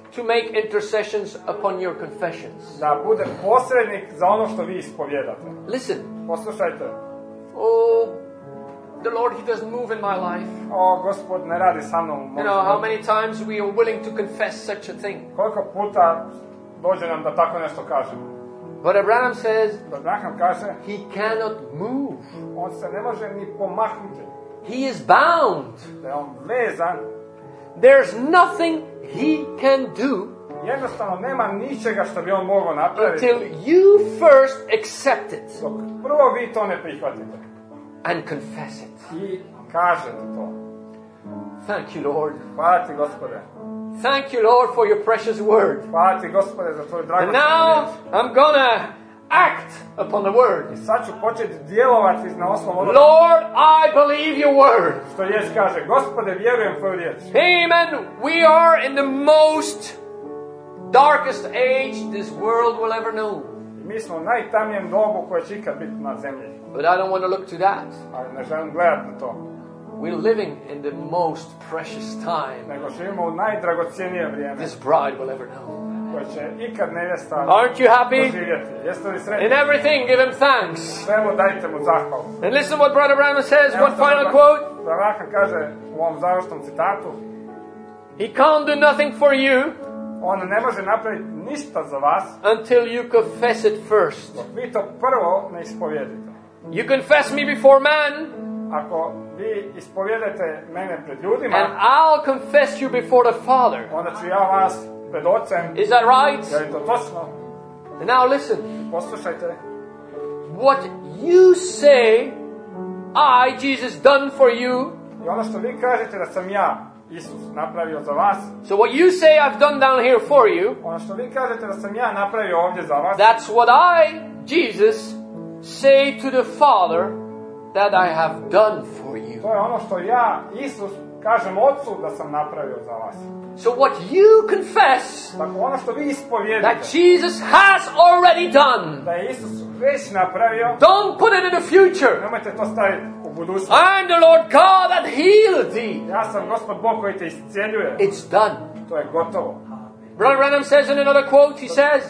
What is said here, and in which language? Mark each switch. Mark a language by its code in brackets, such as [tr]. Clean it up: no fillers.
[en] To make intercessions upon your confessions. [hr] Da bude posrednik za ono što vi ispovjedate. [en] Listen. [hr] Poslušajte. [en] Oh, the Lord, he doesn't move in my life. [hr] Oh, Gospod ne radi sa mnom. [en] You know how many times we are willing to confess such a thing. [hr] Koliko puta dođe nam da tako nešto kažemo. [en] But Abraham says, [hr] Abraham kaže, [en] he cannot move. [hr] On se ne može ni pomaknuti. [en] He is bound. [hr] Da on vezan. [en] There's nothing he can do. [hr] Jednostavno nema ničega što bi on mogao napraviti. [en] Until you first accept it. [hr] Prvo vi to ne prihvatite. [en] And confess it. [hr] I kažete to. [en] Thank you, Lord. [hr] Hvala ti, Gospode. [en] Thank you, Lord, for your precious word. [hr] Hvala ti, Gospode, za tvoju dragocenu. [en] And now I'm gonna act upon the word. [hr] I sad ću početi djelovati na osnovu. [en] Lord, I believe your word. [hr] Što Jez kaže, Gospode, vjerujem tvoju riječ. [en] Amen. We are in the most darkest age this world will ever know. [hr] Mi smo u najtamnijem dobu koje će ikad biti na zemlji. [en] But I don't want to look to that. [hr] Ali ne želim gledati na to. [en] We're living in the most precious time. [hr] Nego živimo u najdragocjenije vrijeme. [en] This bride will ever know. [hr] Koje će ikad nevjesta. [en] Aren't you happy? [hr] Jeste li sretni? [en] In everything give him thanks. [hr] Svemu dajte mu zahvalu. [en] And listen what Brother Branham says. What final quote? [hr] Branham kaže u ovom završnom citatu. [en] He can't do nothing for you. [hr] On ne može napraviti ništa za vas. [en] Until you confess it first. [hr] Vi to prvo ne ispovjedite. [en] You confess me before man. [hr] Ako vi ispovjedete mene pred ljudima. [en] And I'll confess you before the Father. [hr] Onda ću ja vas pred Ocem. [en] Is that right? [hr] Je li to točno? [en] And now listen. [hr] Poslušajte. [en] What you say, I, Jesus, done for you. [hr] I ono što vi kažete da sam ja, Isus, napravio za vas. [en] So what you say I've done down here for you. [hr] Ono što vi kažete da sam ja napravio ovdje za vas. [en] That's what I, Jesus, say to the Father that I have done for you. [hr] To je ono što ja, Isus, kažem Otcu da sam napravio za vas. [en] So what you confess. [hr] Dakle, ono što vi ispovjedite. [en] That Jesus has already done. [hr] Da je Isus već napravio. [en] Don't put it in the future. [hr] Nemojte to staviti. [en] I'm the Lord God that healed thee. [hr] Ja sam Gospod Bog koji te iscjeljuje. [en] It's done. [hr] To je gotovo. [en] Brother Branham says in another quote, he says,